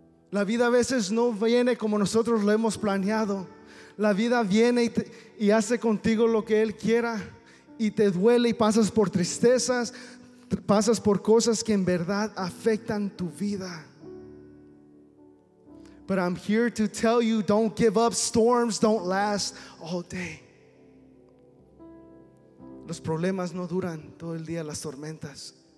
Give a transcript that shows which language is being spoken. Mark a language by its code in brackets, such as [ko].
[es] La vida a veces no viene como nosotros lo hemos planeado. La vida viene y hace contigo lo que Él quiera. Y te duele y pasas por tristezas. Pasas por cosas que en verdad afectan tu vida. [en] But I'm here to tell you, don't give up. Storms don't last all day. [es] Los problemas no duran todo el día, las tormentas.